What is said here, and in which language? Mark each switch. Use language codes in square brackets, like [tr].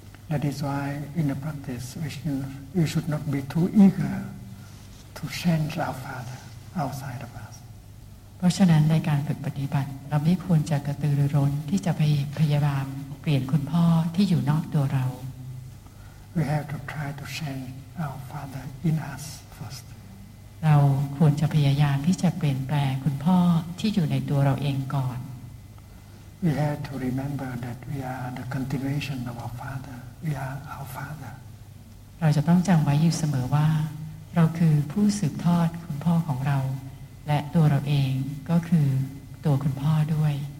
[en] That is why in the practice we should not be too eager to change our father outside of us. [th] เพราะฉะนั้นในการฝึกปฏิบัติเราไม่ควรจะกระตือรือร้นที่จะไปพยายามเปลี่ยนคุณพ่อที่อยู่นอกตัวเรา [en] We have to try to change our father in us first [th] เราควรจะพยายามที่จะเปลี่ยนแปลงคุณพ่อที่อยู่ในตัวเราเองก่อน [en] We have to remember that we are the continuation of our father We are our father [th] เราจะต้องจำไว้อยู่เสมอว่าเราคือผู้สืบทอดคุณพ่อของเราและตัวเราเองก็คือตัวคุณพ่อด้วย